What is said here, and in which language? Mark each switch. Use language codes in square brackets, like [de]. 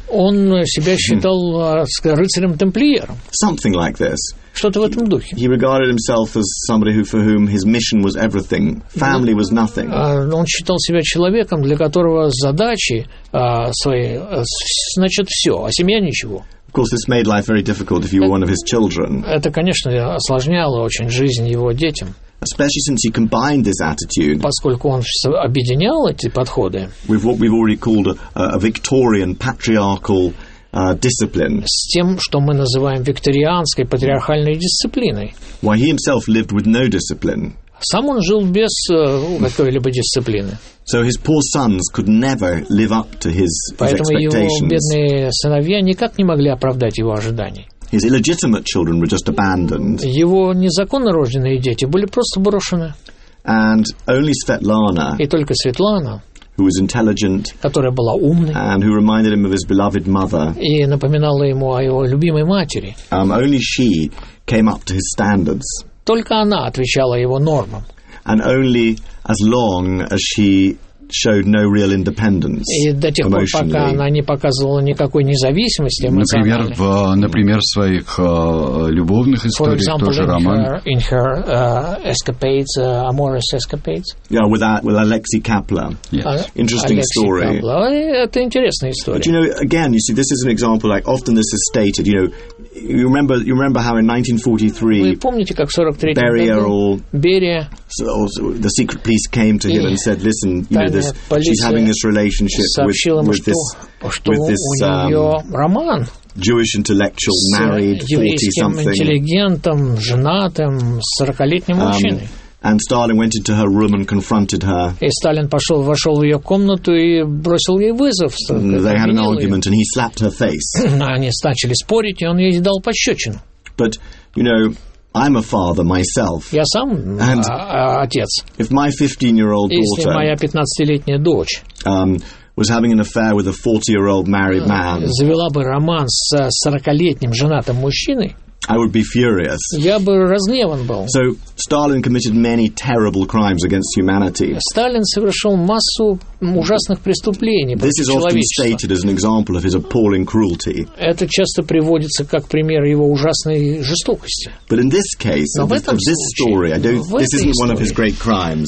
[ru] Он себя считал рыцарем темплиером. [en] Something like this. [ru] Что-то в этом духе. [en] He regarded himself as somebody who, for whom his mission was everything. Family was nothing. [ru] Он считал себя человеком, для которого задачи свои, значит, все, а семья ничего. [en] Of course, this made life very difficult if you were one of his children. [ru] Это, конечно, осложняло очень жизнь его детям. [en] Especially since he combined this attitude. [ru] Поскольку он объединял эти подходы. [en] With what we've already called a Victorian patriarchal discipline. [ru] С тем, что мы называем викторианской патриархальной дисциплиной. [en] Why he himself lived with no discipline. [ru] Сам он жил без какой-либо дисциплины. [en] So his poor sons could never live up to his expectations. [ru] Поэтому его бедные сыновья никак не могли оправдать его ожиданий. [en] His illegitimate children were just abandoned. [ru] Его незаконно рожденные дети были просто брошены. [en] And only Svetlana. [ru] И только Светлана. [en] Who was intelligent. [ru] Которая была умной. [en] And who reminded him of his beloved mother. [ru] И напоминала ему о его любимой матери. [en] Only she came up to his standards. [ru] Только она отвечала его нормам. [en] And only as long as she showed no real independence. [ru] И до тех пор, пока она не показывала никакой независимости эмоциональной. Например, например, в своих любовных историях, [en] example, [ru] тоже роман. [en] In her escapades, amorous escapades. Yeah, with Alexei Kapler. Yes. Interesting Alexei story. [ru] Это интересная история. [en] But you know, again, you see, this is an example, like, often this is stated, you know, you remember how in 1943 [ru] вы помните, как в 43-м году Берия, [en] the secret police came to him and said, listen, you she's having this relationship with this Jewish intellectual, married, 40-something. [ru] Женатым, 40-летним мужчиной. [en] And Stalin went into her room and confronted her. [ru] И Сталин вошел в ее комнату и бросил ей вызов. [en] They had an argument, and he slapped her face. [ru] Они начали спорить, и он ей дал пощечину. [en] But, you know, I'm a father myself. [ru] Я сам отец. [en] If my 15-year-old daughter, [ru] если моя 15-летняя дочь, [en] was having an affair with a 40-year-old married man, [ru] завела бы роман с 40-летним женатым мужчиной, [en] I would be furious. [ru] Я бы разгневан был. [en] So Stalin committed many terrible crimes against humanity. [ru] Сталин совершил массу ужасных преступлений против человечества. [en] This is often stated as an example of his appalling cruelty. [ru] Это часто приводится как пример его ужасной жестокости. [en] But in this case, this story isn't one of his great crimes.